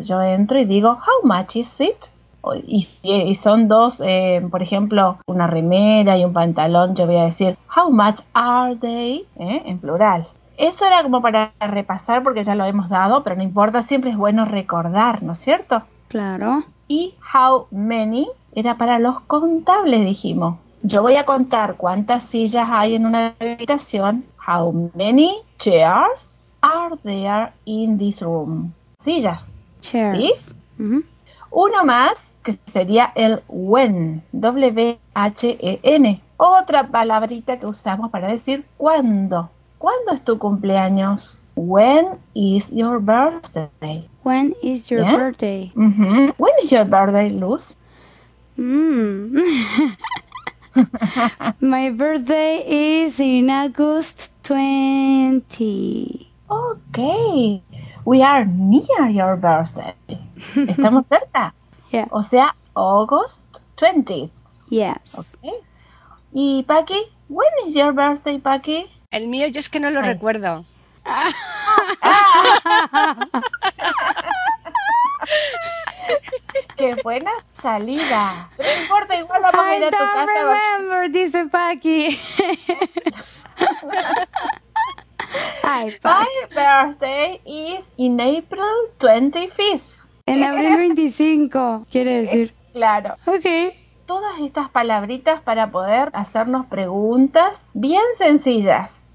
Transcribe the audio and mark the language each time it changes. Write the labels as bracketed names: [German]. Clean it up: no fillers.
[Spanish] Yo entro y digo, [English] how much is it? [Spanish] Y son dos, por ejemplo, una remera y un pantalón, yo voy a decir, [English] how much are they? [Spanish] En plural. Eso era como para repasar porque ya lo hemos dado, pero no importa, siempre es bueno recordar, ¿no es cierto? Claro. Y how many era para los contables, dijimos. Yo voy a contar cuántas sillas hay en una habitación. [English] How many chairs are there in this room? [Spanish] Sillas. [English] Chairs. [Spanish] ¿Sí? Uh-huh. Uno más, que sería el when. W-H-E-N. Otra palabrita que usamos para decir cuándo. ¿Cuándo es tu cumpleaños? [English] When is your birthday? When is your ¿Bien? Birthday? Uh-huh. When is your birthday, Luz? My birthday is in August 20. Okay, we are near your birthday. [Spanish] Estamos cerca. [English] Yeah. [Spanish] O sea, [English] August 20th. Yes. [Spanish] Okay. ¿Y Paqui? [English] When is your birthday, Paqui? [Spanish] El mío, yo es que no lo recuerdo. ¡Qué buena salida! No importa, igual vamos a ir a tu casa. [English] I don't remember, [Spanish] dice Paqui. [English] Hi, Paqui. My birthday is in April 25th. [Spanish] En abril 25, quiere decir. Claro. [English] Ok. [Spanish] Todas estas palabritas para poder hacernos preguntas bien sencillas.